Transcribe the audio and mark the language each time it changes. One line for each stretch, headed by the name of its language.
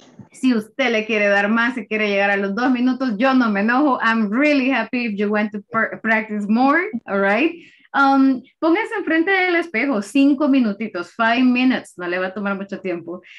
Spanish: Si usted le quiere dar más, si quiere llegar a los 2 minutos, yo no me enojo.
English: I'm really happy if you want to practice more, all right?
Spanish: Póngase enfrente del espejo, 5 minutitos,
English: 5 minutes,
Spanish: no le va a tomar mucho tiempo.